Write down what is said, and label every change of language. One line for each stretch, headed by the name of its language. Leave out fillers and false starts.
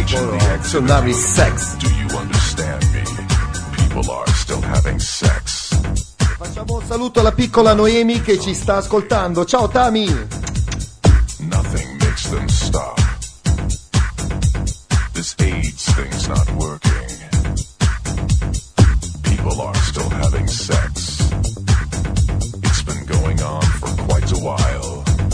English: Do you understand me? People are still having sex.
Italian: Facciamo diamo un saluto alla piccola Noemi che ci sta ascoltando. Ciao Tami.
English: Nothing makes them stop. This AIDS thing's not working. People are still having sex. It's been going on for quite a while.